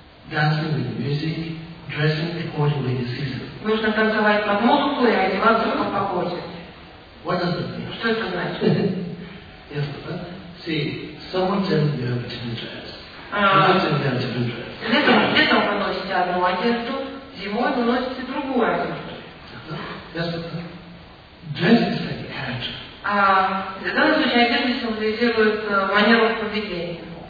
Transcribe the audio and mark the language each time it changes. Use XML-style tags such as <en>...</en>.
<en>Dancing with music, dressing according to the season.</en> <ru>Нужно танцевать под музыку и одеваться по погоде.</ru> <en>What does that mean?</en> <ru>Что это значит?</ru> <en>Yes, but see, someone said you have different dress. Someone said you have different dress.</en> <ru>Летом вы носите одну одежду, зимой вы носите другую одежду.</ru> <en>Yes, but dress is like a character.</en> <ru>А в данном случае одежда символизирует манеру поведения.</ru>